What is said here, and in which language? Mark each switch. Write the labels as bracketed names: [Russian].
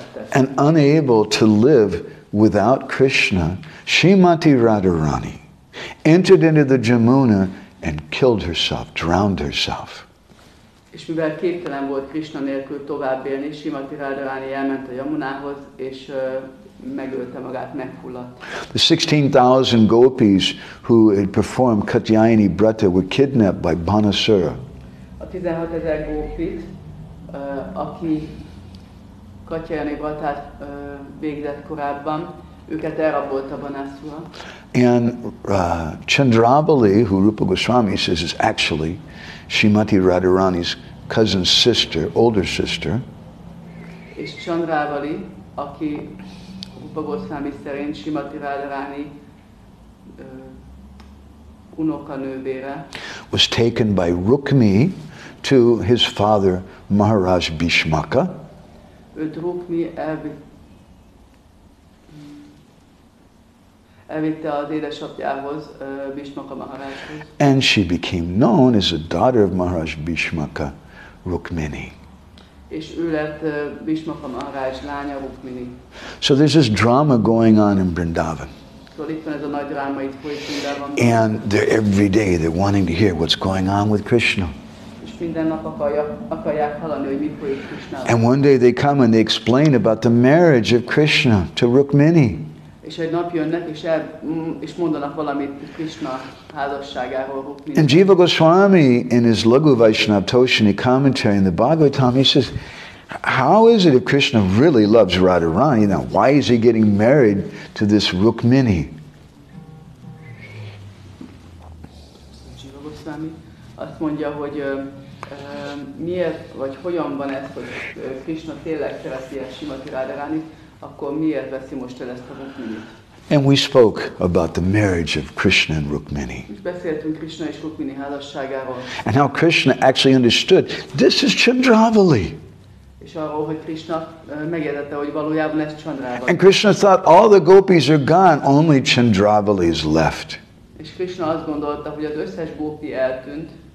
[English] And unable to live without Krishna, Srimati Radharani entered into the Jamuna and killed herself, drowned herself. [Hungarian] És mivel képtelen volt Krishna nélkül tovább élni, Srimati Radharani elment a Jamunához, és megölte magát, megfulladt. [English] The 16,000 gopis who had performed Katyayani Brata were kidnapped by Banasura. [Hungarian] A 16,000 gópit, aki Katyayani Bratát végzett korábban, őket elrabolta Banasura. [English] And Chandrabali, who Rupa Goswami says is actually Srimati Radharani's cousin's sister, older sister. [Hungarian] És Chandrabali, aki Rupa Goswami szerint Srimati Radharani unokanővére, [English] was taken by Rukmi to his father Maharaj Bhishmaka. [Hungarian] Őt Rukmi elvitte az édesapjához, Bhishmaka Maharajhoz. [English] And she became known as the daughter of Maharaj Bhishmaka, Rukmini. [Hungarian] És ő lett Bhishmaka Maharaj lánya, Rukmini. [English] So there's this drama going on in Vrindavan. [Hungarian] Szóval itt van ez a nagy dráma, itt folyik Vrindavanban. [English] And they're every day, they're wanting to hear what's going on with Krishna. [Hungarian] És minden nap akarják hallani, hogy mi folyik Krishna. [English] And one day they come and they explain about the marriage of Krishna to Rukmini. [Hungarian] És egy nap jönnek, és mondanak valamit Krishna házasságáról. [English] And Jiva Goswami, in his Laghu Vaishnava Toshini commentary in the Bhagavatam, he says, how is it if Krishna really loves Radharani, now why is he getting married to this Rukmini? [Hungarian] Jiva Goswami azt mondja, hogy miért, vagy hogyan van ez, hogy Krishna tényleg szereti a Srimati Radharani, akkor miért veszi most el ezt a Rukminit? [English] And we spoke about the marriage of Krishna and Rukmini. [Hungarian] Beszéltünk Krishna és Rukmini házasságáról. [English] And how Krishna actually understood, this is Chandravali. [Hungarian] És arról, hogy Krishna megértette, hogy valójában ez Chandravali. [English] And Krishna thought, all the gopis are gone, only Chandravali is left. [Hungarian] És Krishna azt gondolta, hogy az összes gópi eltűnt.